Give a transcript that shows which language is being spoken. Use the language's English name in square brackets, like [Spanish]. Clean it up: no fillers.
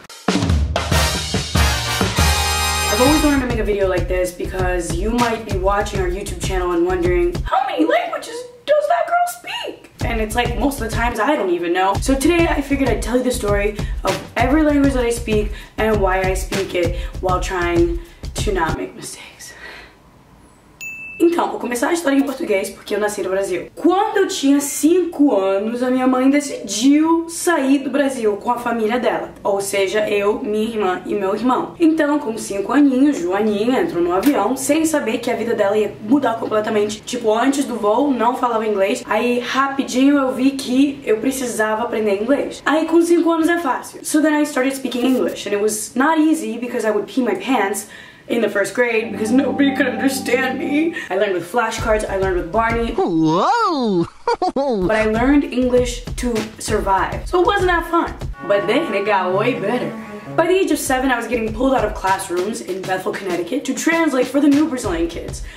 [English] I've always wanted to make a video like this because you might be watching our YouTube channel and wondering, how many languages does that girl speak? And it's like most of the times I don't even know. So today I figured I'd tell you the story of every language that I speak and why I speak it while trying to not make mistakes. [Portuguese] Então, vou começar a história em português, porque eu nasci no Brasil. Quando eu tinha 5 anos, a minha mãe decidiu sair do Brasil com a família dela. Ou seja, eu, minha irmã e meu irmão. Então, com 5 aninhos, Joaninha entrou no avião, sem saber que a vida dela ia mudar completamente. Tipo, antes do voo, não falava inglês. Aí, rapidinho, eu vi que eu precisava aprender inglês. Aí, com 5 anos é fácil. [English] So then I started speaking English, and it was not easy, because I would pee my pants in the first grade, because nobody could understand me. I learned with flashcards, I learned with Barney. Whoa! But I learned English to survive. So it wasn't that fun. But then it got way better. By the age of 7, I was getting pulled out of classrooms in Bethel, Connecticut to translate for the new Brazilian kids.